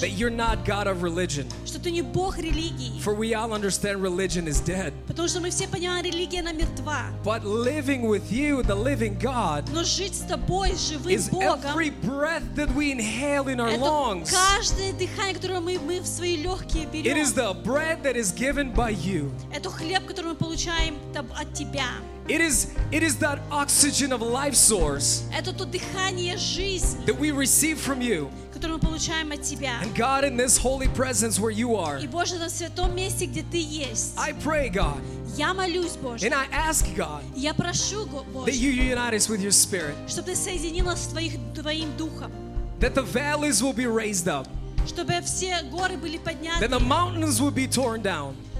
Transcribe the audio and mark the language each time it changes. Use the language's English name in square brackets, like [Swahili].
[English] That you're not God of religion. [Russian] Что ты не Бог религии. [English] For we all understand religion is dead. [Russian] Потому что мы все понимаем, религия она мертва. [English] But living with you, the living God. [Russian] Но жить с тобой, живым Богом. [English] Is every breath that we inhale in our lungs. [Russian] Это каждое дыхание, которое мы в свои легкие берем. [English] It is the bread that is given by you. [Russian] Это хлеб, который мы получаем от тебя. [English] It is that oxygen of life source that we receive from you. And God, in this holy presence where you are, I pray, God, and I ask God that you unite us with your Spirit, that the valleys will be raised up, that the mountains will be torn down,